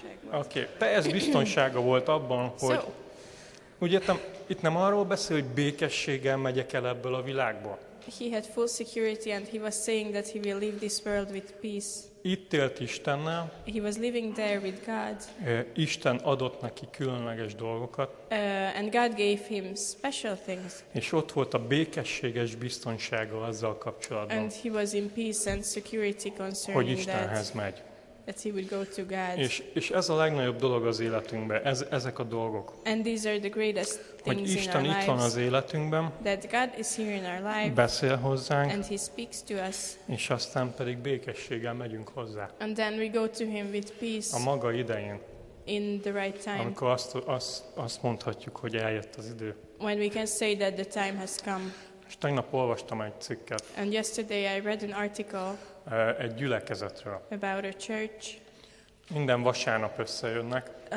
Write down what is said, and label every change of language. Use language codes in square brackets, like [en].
[hu] Okay, teljes biztonsága volt abban, hogy ugye itt nem arról beszél, hogy békességgel megyek el ebből a világból. [en] He had full security and he was saying that he will leave this world with peace. [hu] Itt élt Istennel. [en] He was living there with God. [hu] Isten adott neki különleges dolgokat. [en] And God gave him special things. [hu] És ott volt a békességes biztonsága azzal kapcsolatban. [en] And he was in peace and security concerning [hu] hogy Istenhez [en] that. [hu] Megy. [en] That he would go to God. [hu] És ez a legnagyobb dolog az életünkben, ezek a dolgok. [en] And these are the greatest [hu] hogy Isten itt van az életünkben, [en] that God is here in our life, [hu] beszél hozzánk, [en] and he speaks to us. [hu] És aztán pedig békességgel megyünk hozzá. [en] And then we go to him with peace. [hu] A maga idején. [en] In the right time. [hu] Amikor azt mondhatjuk, hogy eljött az idő. [en] When we can say that the time has come. [hu] És tegnap olvastam egy cikket. [en] And yesterday I read an article. [hu] Egy gyülekezetről. [en] About a church. [hu] Minden vasárnap összejönnek.